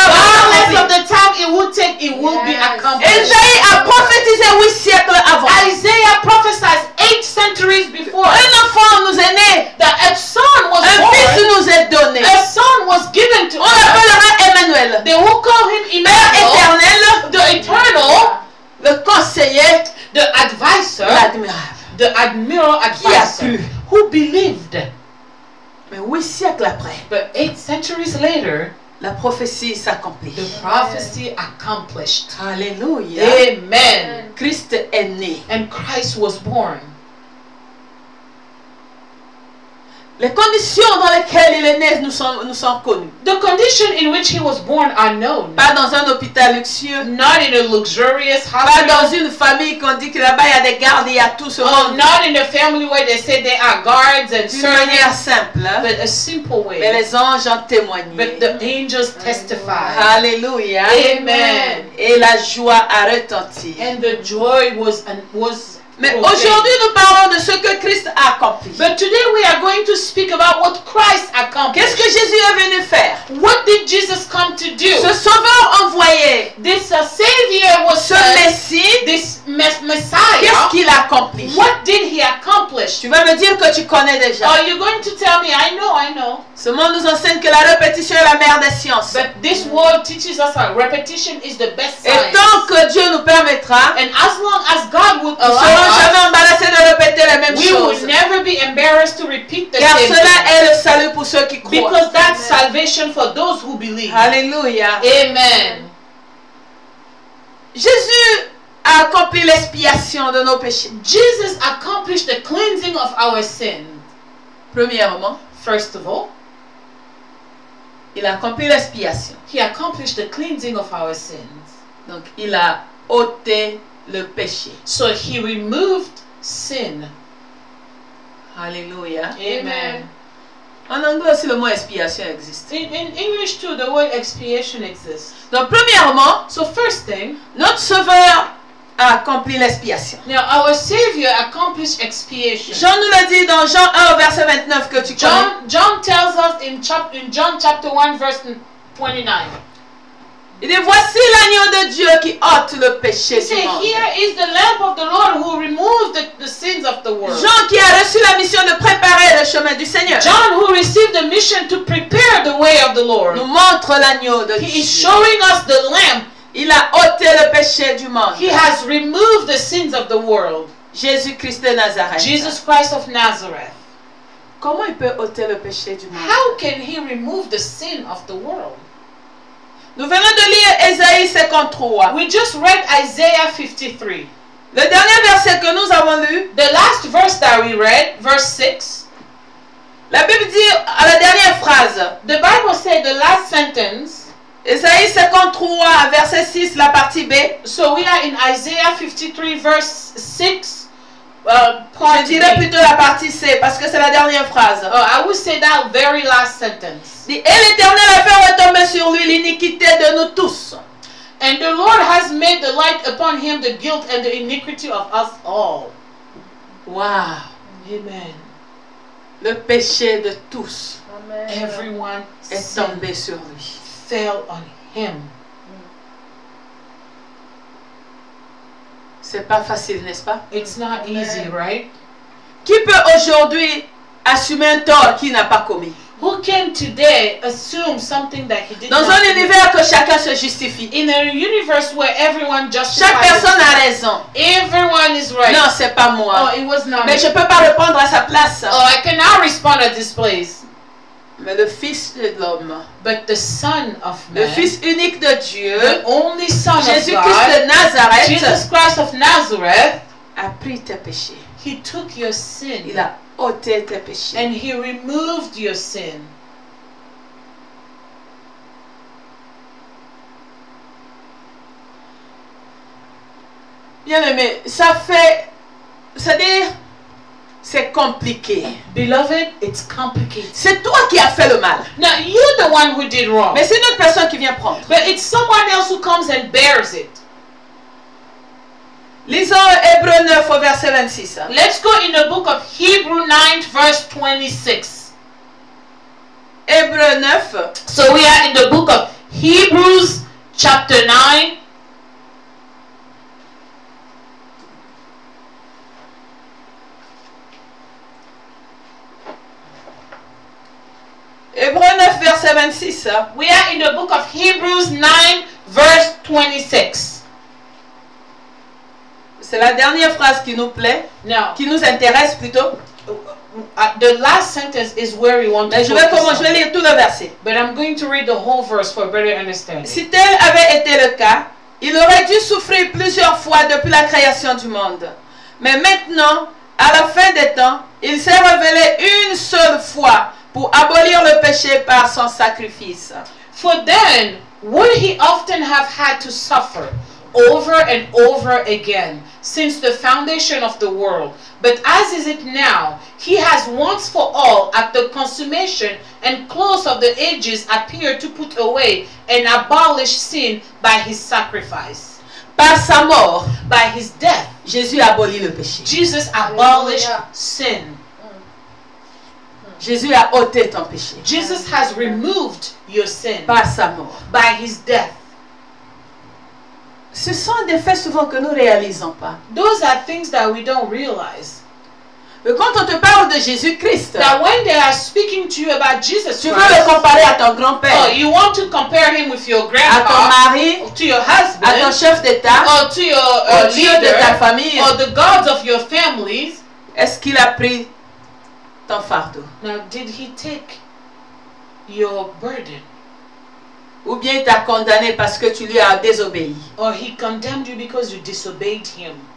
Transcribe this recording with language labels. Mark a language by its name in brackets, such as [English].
[English] regardless of the time it will take, it will be accomplished. [French] Isaïe a prophétisé 8 siècles avant. [English] Isaiah prophesied 8 centuries before. [French] Un enfant nous est né, [English] that a son was born. [French] Un fils nous est donné. [English] A son was given to us. [French] On l'appellera Emmanuel. [English] They will call him Emmanuel. [French] Père éternel, [English] the eternal. [French] Le conseiller, [English] the advisor, [French] l'admirable, [English] the admiral advisor, [French] qui a pu, [English] who believed. [French] Mais 8 siècles après, [English] but 8 centuries later, [French] la prophétie s'accomplit. [English] The prophecy accomplished. Hallelujah. Amen. [French] Christ est né. [English] And Christ was born. [French] Les conditions dans lesquelles il est né nous sont connues. [English] The conditions in which he was born are known. [French] Pas dans un hôpital luxueux. [English] Not in a luxurious hospital. [French] Pas dans une famille qu'on dit que là-bas il y a des gardes, il y a tout ce monde. [English] Not in a family where they say there are guards and [French] servants. D'une manière simple. [English] But a simple way. [French] Mais les anges ont témoigné. [English] But the angels testified. Hallelujah. Amen. [French] Et la joie a retenti. [English] And the joy was. [French] Mais okay. Aujourd'hui nous parlons de ce que Christ a accompli. [English] But today we are going to speak about what Christ accomplished. [French] Qu'est-ce que Jésus est venu faire? [English] What did Jesus come to do? [French] Ce sauveur envoyé. [English] This savior was [French] ce messie. [English] This messiah. [French] Qu'est-ce qu'il a accompli? [English] What did he accomplish? [French] Tu vas me dire que tu connais déjà. [English] Are you going to tell me? I know. [French] Ce monde nous enseigne que la répétition est la mère des sciences. [English] But this world teaches us that repetition is the best science. [French] Et tant que Dieu nous permettra. [English] And as long as God would allow. [French] Nous ne serons jamais embarrassés de répéter les mêmes choses. [English] We will never be embarrassed to repeat the [French] same. Car cela est le salut pour ceux qui croient. [English] Because that's salvation for those who believe. Hallelujah. Amen. [French] Jésus a accompli l'expiation de nos péchés. [English] Jesus accomplished the cleansing of our sin. [French] Premièrement, [English] first of all, [French] il a accompli l'expiation. [English] He accomplished the cleansing of our sins. [French] Donc, il a ôté le péché. [English] So he removed sin. Hallelujah. Amen. [French] En anglais aussi le mot expiation existe. [English] In English too, the word expiation exists. [French] Donc premièrement, [English] so first thing, [French] notre sauveur a accompli l'expiation. [English] Now our savior accomplished expiation. [French] Jean nous l'a dit dans Jean 1 verset 29 que tu connais. [English] John tells us in John chapter 1 verse 29. [French] Il dit, voici l'agneau de Dieu qui ôte le péché du monde. [English] Here is the lamb of the Lord who removes the sins of the world. [French] Jean qui a reçu la mission de préparer le chemin du Seigneur. [English] John who received the mission to prepare the way of the Lord. [French] Nous montre l'agneau de Dieu. [English] He is showing us the lamb. [French] Il a ôté le péché du monde. [English] He has removed the sins of the world. [French] Jésus Christ de Nazareth. [English] Jesus Christ of Nazareth. [French] Comment il peut ôter le péché du monde? [English] How can he remove the sin of the world? [French] Nous venons de lire Esaïe 53. [English] We just read Isaiah 53. [French] Le dernier verset que nous avons lu. [English] The last verse that we read, verse 6. [French] La Bible dit à la dernière phrase. [English] The Bible says the last sentence. [French] Esaïe 53, verset 6, la partie B. [English] So we are in Isaiah 53, verse 6. [French] Je dirais plutôt la partie C parce que c'est la dernière phrase. [English] Oh, I would say that very last sentence. [French] Et l'Éternel a fait retomber sur lui l'iniquité de nous tous. [English] And the Lord has made the light upon him the guilt and the iniquity of us all. Wow. Amen. [French] Le péché de tous. [English] Amen. Everyone [French] est tombé sur lui. [English] Fell on him. [French] C'est pas facile, n'est-ce pas? [English] It's not easy, right? [French] Qui peut aujourd'hui assumer un tort qu'il n'a pas commis? [English] Who can today assume something that he did [French] Dans [English] not [French] un commit? Univers que chacun se justifie. [English] In a universe where everyone justifies. [French] Chaque personne a raison. [English] Everyone is right. [French] Non, c'est pas moi. [English] Oh, it was not [French] Mais [English] me. [French] Je peux pas répondre à sa place. [English] Oh, I cannot respond at this place. [French] Mais le Fils de l'homme, [English] But the son of man, [French] le Fils unique de Dieu, [English] the only son [French] Jésus [English] of God, [French] Christ de Nazareth, [English] Jesus Christ of Nazareth, [French] a pris tes péchés. [English] He took your sin. [French] Il a ôté tes péchés. [English] And he removed your sin. [French] Bien aimé, ça fait, c'est-à-dire. C'est compliqué. [English] Beloved, it's complicated. [French] C'est toi qui as fait le mal. [English] Now, you're the one who did wrong. [French] Mais c'est une autre personne qui vient prendre. [English] But it's someone else who comes and bears it. [French] Lisons Hébreux 9 au verset 26. [English] Let's go in the book of Hebrews 9 verse 26. [French] Hébreux 9. [English] So we are in the book of Hebrews chapter 9. [French] Hébreux 9, verset 26. [English] We are in the book of Hebrews 9, verse 26. [French] C'est la dernière phrase qui nous plaît. [English] Now, [French] qui nous intéresse plutôt. [English] The last sentence is where we want [French] Mais [English] to [French] je vais commencer, je vais lire tout le verset. [English] But I'm going to read the whole verse for better understanding. [French] Si tel avait été le cas, il aurait dû souffrir plusieurs fois depuis la création du monde. Mais maintenant, à la fin des temps, il s'est révélé une seule fois pour abolir le péché par son sacrifice. [English] For then, would he often have had to suffer over and over again since the foundation of the world? But as is it now, he has once for all at the consummation and close of the ages appeared to put away and abolish sin by his sacrifice. [French] Par sa mort, [English] by his death, [French] Jésus abolit le péché. [English] Jesus abolished sin. [French] Jésus a ôté ton péché. [English] Jesus has removed your sin. [French] Par sa mort. [English] By his death. [French] Ce sont des faits souvent que nous réalisons pas. [English] Those are things that we don't realize. [French] Mais quand on te parle de Jésus Christ, [English] now when they are speaking to you about Jesus [French] tu veux le comparer à ton grand-père. [English] Oh, you want to compare him with your grandpa. [French] À ton mari. [English] To your husband. [French] À ton chef d'état. [English] Or to your leader. [French] Au dieu de ta famille. [English] Or the gods of your families. [French] Est-ce qu'il a pris ton fardeau. [English] Now, did he take your burden? [French] Ou bien il t'a condamné parce que tu lui as désobéi. [English] Or he condemned you because you disobeyed him.